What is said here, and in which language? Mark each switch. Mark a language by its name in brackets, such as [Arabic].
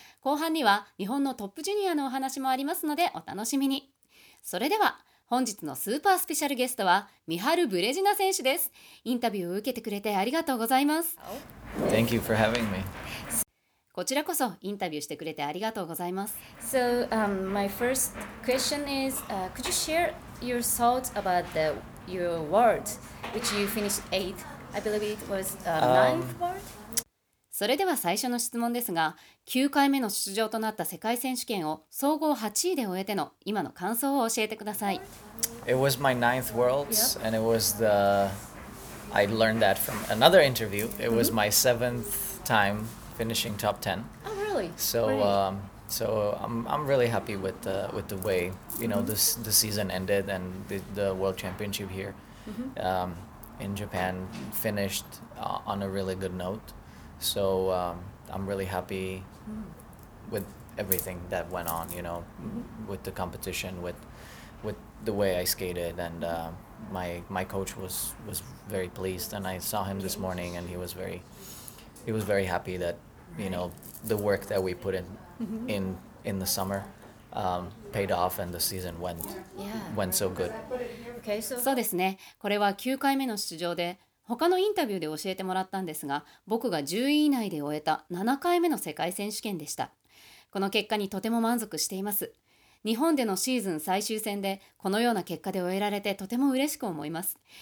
[Japanese] 後半には日本のトップジュニアのお話もありますので、お楽しみに。それでは、本日のスーパースペシャルゲストは、Michal Brezhina 選手です。インタビューを受けてくれてありがとうございます。 [English] Thank you for having me. [Japanese] こちらこそインタビューしてくれてありがとうございます。 [English] So, my first question is, could you share your thoughts about the, your world, which you finished eighth? I believe it was ninth world? [Japanese] それでは最初の質問ですが、9回目の出場となった世界選手権を総合8位で終えての今の感想を教えてください。 [English] It was my ninth world, and it was the... I learned that from another interview. It was my seventh time. Finishing top 10. Oh, really? So I'm really happy with the way, you know, the season ended and the World Championship here in Japan finished on a really good note. So I'm really happy with everything that went on, you know, with the competition, with the way I skated. And my coach was very pleased. And I saw him this morning and he was very happy thatYou know, the work that we put in the summer paid off and the season went so good. Okay, so... [Japanese] そうですね。これは9回目の出場で、他のインタビューで教えてもらったんですが、僕が10位以内で終えた7回目の世界選手権でした。この結果にとても満足しています。日本でのシーズン最終戦で、このような結果で終えられてとても嬉しく思います。